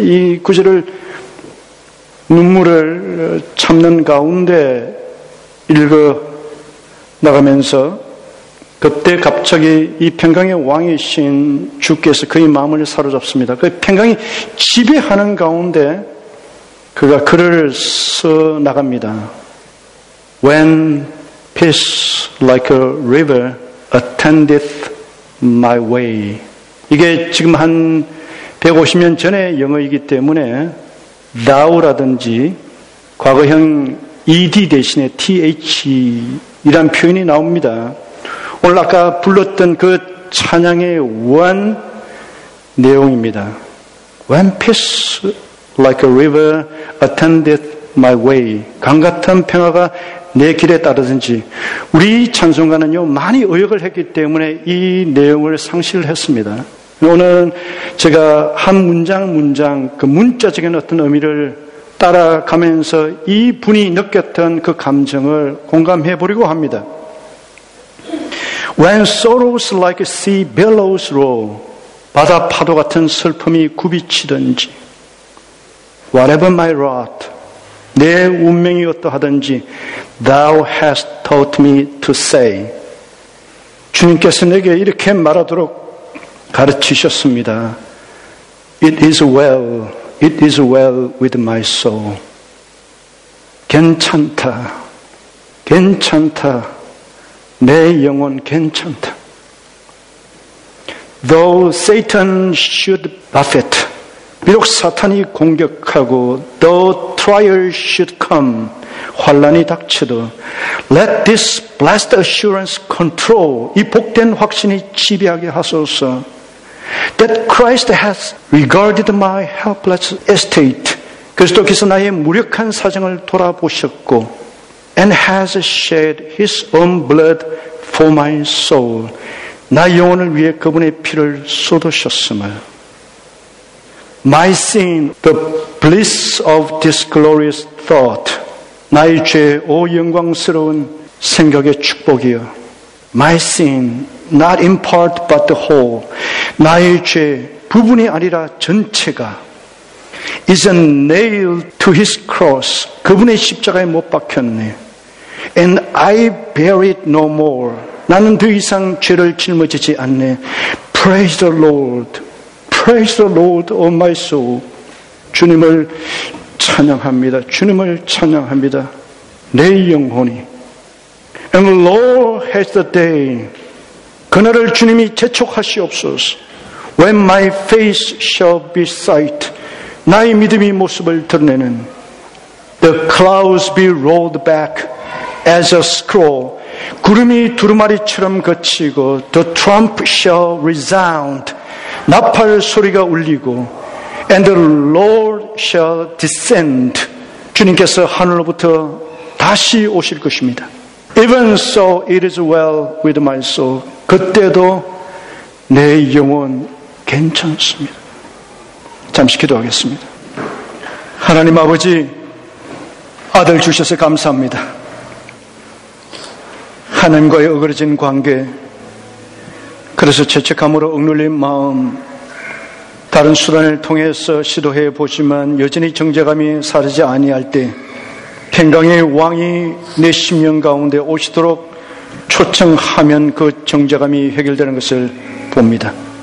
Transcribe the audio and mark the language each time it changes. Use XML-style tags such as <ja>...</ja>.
<ko>이 구절을 눈물을 참는 가운데 읽어 나가면서 그때 갑자기 이 평강의 왕이신 주께서 그의 마음을 사로잡습니다. 그 평강이 지배하는 가운데 그가 글을 써 나갑니다.</ko> <en>When peace like a river attendeth my way.</en> <ko>이게 지금 한 150년 전의 영어이기 때문에 thou라든지 과거형 ed 대신에 th이란 표현이 나옵니다. 오늘 아까 불렀던 그 찬양의 원 내용입니다.</ko> <en>When peace like a river attendeth my way.</en> <ko>강 같은 평화가 내 길에 따르든지. 우리 찬송가는요 많이 의역을 했기 때문에 이 내용을 상실했습니다. 오늘 제가 한 문장 문장 그 문자적인 어떤 의미를 따라가면서 이 분이 느꼈던 그 감정을 공감해 보려고 합니다.</ko> <en>When sorrows like a sea billows roll,</en> <ko>바다 파도 같은 슬픔이 굽이치든지,</ko> <en>whatever my lot,</en> <ko>내 운명이 어떠하든지,</ko> <en>thou hast taught me to say.</en> <ko>주님께서 내게 이렇게 말하도록 가르치셨습니다.</ko> <en>It is well with my soul.</en> <ko>괜찮다, 괜찮다. 내 영혼 괜찮다.</ko> <en>Though Satan should buffet,</en> <ko>비록 사탄이 공격하고,</ko> <en>Though trial should come,</en> <ko>환란이 닥쳐도,</ko> <en>Let this blessed assurance control,</en> <ko>이 복된 확신이 지배하게 하소서.</ko> <en>That Christ has regarded my helpless estate,</en> <ko>그리스도께서 나의 무력한 사정을 돌아보셨고,</ko> <en>And has shed his own blood for my soul.</en> <ko>나 영혼을 위해 그분의 피를 쏟으셨음을.</ko> <en>My sin, the bliss of this glorious thought.</en> <ko>나의 죄, 오 영광스러운 생각의 축복이여.</ko> <en>My sin, not in part but the whole.</en> <ko>나의 죄, 부분이 아니라 전체가.</ko> <en>Is a nail to his cross.</en> <ko>그분의 십자가에 못 박혔네.</ko> <en>And I bear it no more.</en> <ko>나는 더 이상 죄를 짊어지지 않네.</ko> <en>Praise the Lord. Praise the Lord, O my soul.</en> <ko>주님을 찬양합니다. 주님을 찬양합니다. 내 영혼이.</ko> <en>And Lord has the day.</en> <ko>그날을 주님이 재촉하시옵소서.</ko> <en>When my face shall be sight.</en> <ko>나의 믿음이 모습을 드러내는.</ko> <en>The clouds be rolled back. As a scroll,</en> <ko>구름이 두루마리처럼 거치고,</ko> <en>the trump shall resound,</en> <ko>나팔 소리가 울리고,</ko> <en>and the Lord shall descend.</en> <ko>주님께서 하늘로부터 다시 오실 것입니다.</ko> <en>Even so, it is well with my soul.</en> <ko>그때도 내 영혼 괜찮습니다. 잠시 기도하겠습니다. 하나님 아버지, 아들 주셔서 감사합니다. 하나님과의 어그러진 관계, 그래서 죄책감으로 억눌린 마음, 다른 수단을 통해서 시도해 보지만 여전히 정죄감이 사라지지 아니할 때 평강의 왕이 내 심령 가운데 오시도록 초청하면 그 정죄감이 해결되는 것을 봅니다.</ko>